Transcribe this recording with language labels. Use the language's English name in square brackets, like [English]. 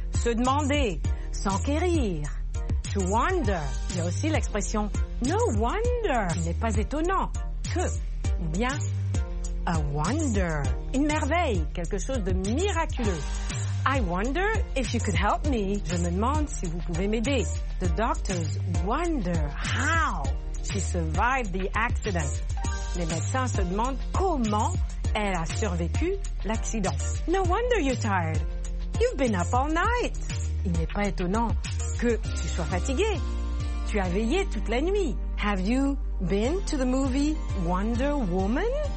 [French] Se demander, s'enquérir. [English] To wonder. [French] Il y a aussi l'expression no wonder. Il n'est pas étonnant que, ou bien a wonder. Une merveille. Quelque chose de miraculeux. [English] I wonder if you could help me. [French] Je me demande si vous pouvez m'aider. [English] The doctors wonder how she survived the accident. [French] Les médecins se demandent comment elle a survécu l'accident. [English] No wonder you're tired. You've been up all night. [French] Il n'est pas étonnant que tu sois fatigué. Tu as veillé toute la nuit. [English] Have you been to the movie Wonder Woman?